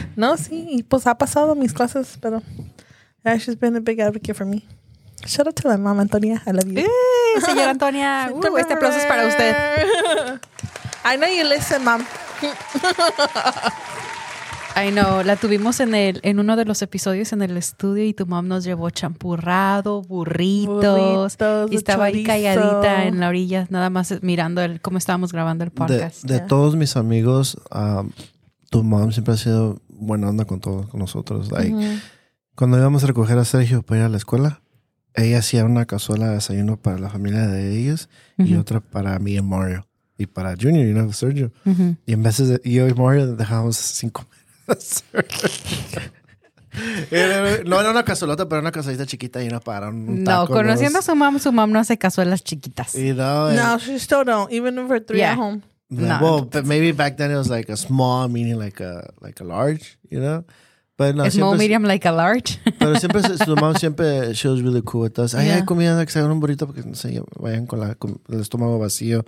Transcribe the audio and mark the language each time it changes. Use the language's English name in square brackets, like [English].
[Spanish] No, sí, pues ha pasado mis clases, pero... [English] Yeah, she's been a big advocate for me. Shout out to my mom, Antonia. I love you. [Spanish] Señora Antonia. Este aplauso es para usted. [English] I know you listen, mom. I know. [Spanish] La tuvimos en uno de los episodios en el estudio y tu mom nos llevó champurrado, burritos y estaba chorizo. Ahí calladita en la orilla, nada más mirando cómo estábamos grabando el podcast. [English] De yeah. [Spanish] Todos mis amigos, tu mom siempre ha sido buena onda con todos, con nosotros. Like, cuando íbamos a recoger a Sergio para ir a la escuela, ella hacía una cazuela de desayuno para la familia de ellos y otra para mí y Mario. Y para Junior, [English] you know, [Spanish] Sergio. Y en veces, yo y Mario dejábamos sin comer a Sergio. No era una cazuelota, pero una cazuelita chiquita y no para un taco. No, conociendo a su mam no hace cazuelas chiquitas. [English] You know, no, she still don't, even if we're three at home. Yeah. Well, but maybe back then it was like a small, meaning like a large, you know? But no, small, medium, like a large. [Spanish] Pero siempre, su mamá siempre, [English] she was really cool with us. [Spanish] Ay, yeah. Hay comida, que se hagan un burrito porque no se vayan con el estómago vacío.